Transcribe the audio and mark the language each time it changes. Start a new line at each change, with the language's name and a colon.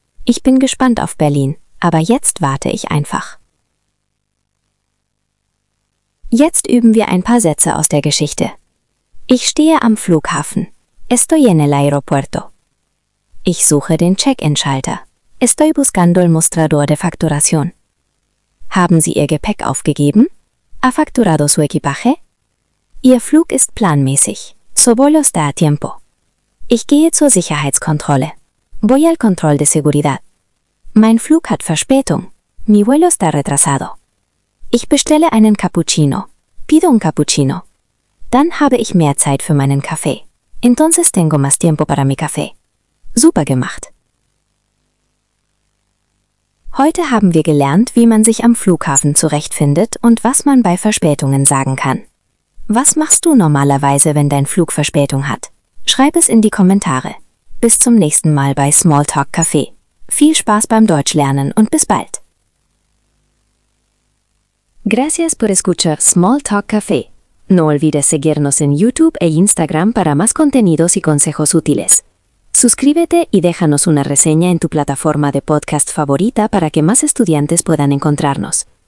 German: Ich bin gespannt auf Berlin, aber jetzt warte ich einfach. Jetzt üben wir ein paar Sätze aus der Geschichte. Ich stehe am Flughafen.
Spanish: Estoy en el aeropuerto.
German: Ich suche den Check-in-Schalter.
Spanish: Estoy buscando el mostrador de facturación.
German: Haben Sie Ihr Gepäck aufgegeben?
Spanish: ¿Ha facturado su equipaje?
German: Ihr Flug ist planmäßig.
Spanish: Su vuelo está a tiempo.
German: Ich gehe zur Sicherheitskontrolle.
Spanish: Voy al control de seguridad.
German: Mein Flug hat Verspätung.
Spanish: Mi vuelo está retrasado.
German: Ich bestelle einen Cappuccino.
Spanish: Pido un cappuccino.
German: Dann habe ich mehr Zeit für meinen Kaffee.
Spanish: Entonces tengo más tiempo para mi café.
German: Super gemacht. Heute haben wir gelernt, wie man sich am Flughafen zurechtfindet und was man bei Verspätungen sagen kann. Was machst du normalerweise, wenn dein Flug Verspätung hat? Schreib es in die Kommentare. Bis zum nächsten Mal bei Smalltalk Café. Viel Spaß beim Deutschlernen und bis bald.
Spanish: Gracias por escuchar Smalltalk Café. No olvides seguirnos en YouTube e Instagram para más contenidos y consejos útiles. Suscríbete y déjanos una reseña en tu plataforma de podcast favorita para que más estudiantes puedan encontrarnos.